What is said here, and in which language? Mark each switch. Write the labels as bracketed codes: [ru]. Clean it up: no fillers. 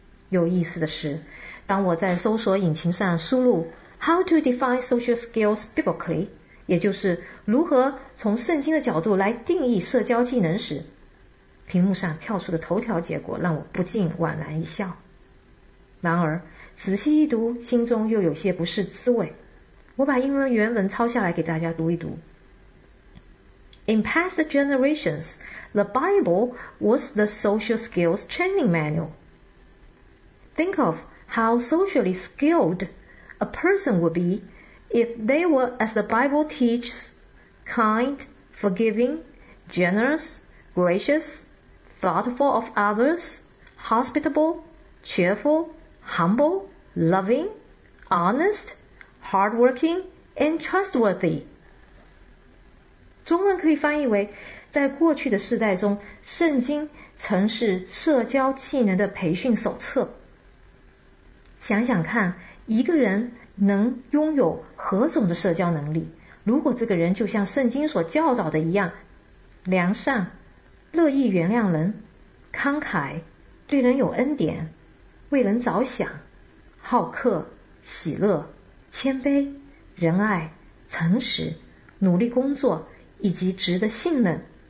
[zh] 有意思的是，当我在搜索引擎上输入 [en] How to define social skills biblically， [zh] 也就是如何从圣经的角度来定义社交技能时，屏幕上跳出的头条结果让我不禁莞然一笑。然而仔细一读，心中又有些不是滋味。我把英文原文抄下来给大家读一读。 [en] In past generations, the Bible was the social skills training manual. Think of how socially skilled a person would be if they were, as the Bible teaches, kind, forgiving, generous, gracious, thoughtful of others, hospitable, cheerful, humble, loving, honest,hardworking and trustworthy。 [zh] 中文可以翻译为，在过去的世代中，圣经曾是社交技能的培训手册。想想看，一个人能拥有何种的社交能力，如果这个人就像圣经所教导的一样，良善，乐意原谅人，慷慨，对人有恩典，为人着想，好客，喜乐，谦卑，仁爱，诚实，努力工作，以及值得信任。